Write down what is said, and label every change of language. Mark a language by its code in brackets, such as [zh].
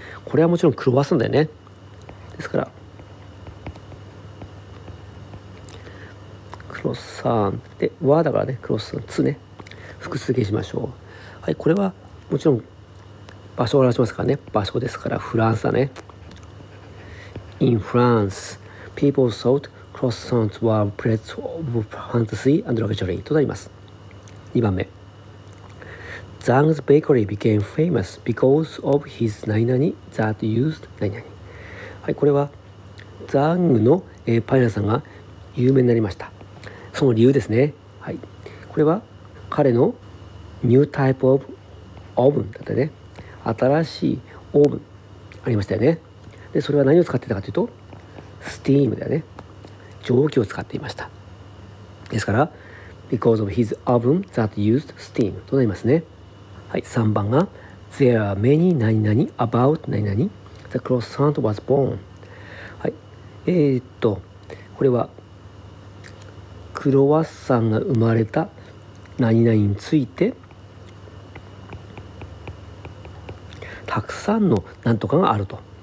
[ja] これはもちろんクロワッサンだよね。ですからクロッサンで和だからね、クロッサンツね、複数形しましょう。はい、これはもちろん場所を表しますからね、場所ですからフランスだね。 [en] In France people thought croissants were breads of fantasy and luxury [ja] となります。 2番目、 [en] Zhang's bakery became famous because of his [ja] 何々 [en] that used 何々。 [ja] はい、これはザングのパン屋さんが有名になりました、その理由ですね。はい、これは彼のニュータイプオブオーブンだったね、新しいオーブンありましたよね。でそれは何を使ってたかというと、スティームだよね、蒸気を使っていました。ですから [en] because of his oven that used steam [ja] となりますね。はい、3番が [en] there are many [ja] 何々 [en] about 何々 the croissant was born。 [ja] はい、これはクロワッサンが生まれた何々についてたくさんの何とかがあると。